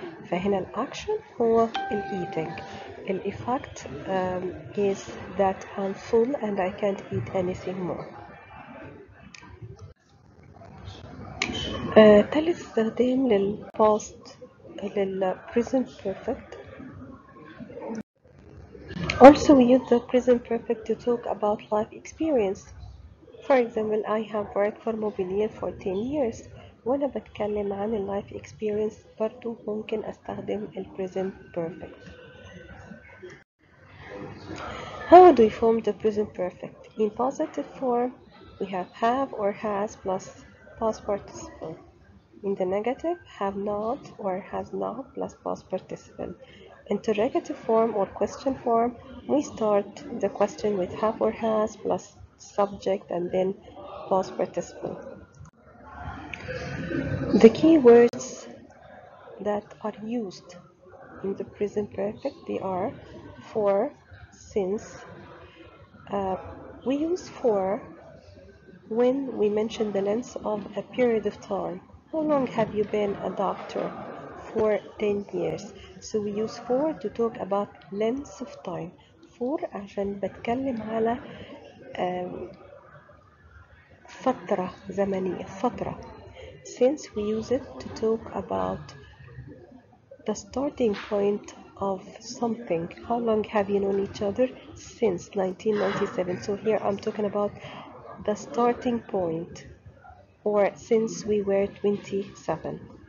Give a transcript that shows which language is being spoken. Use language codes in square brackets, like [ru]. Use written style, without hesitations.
[ar] فهنا الأكشن هو الإيتينج. [en] الإفكت is that I'm full and I can't eat anything more. [ar] تالت استخدام للباست للبريزنت بيرفكت. [en] Also we use the present perfect to talk about life experience. For example, I have worked for Mobilier for 10 years. [ar] وانا بتكلم عن [en] life experience [ar] برضو ممكن استخدم ال present perfect. [en] How do we form the present perfect? In positive form, we have or has plus past participle. In the negative, have not or has not plus past participle. Interrogative form or question form, we start the question with have or has plus subject and then past participle. The key words that are used in the present perfect, they are for, since. We use for when we mention the length of a period of time. How long have you been a doctor? For 10 years. So we use for to talk about length of time. [ar] For عشان بتكلم على فترة زمنية، فترة. [en] Since we use it to talk about the starting point of something. How long have you known each other? Since 1997. So here I'm talking about the starting point or since we were 27.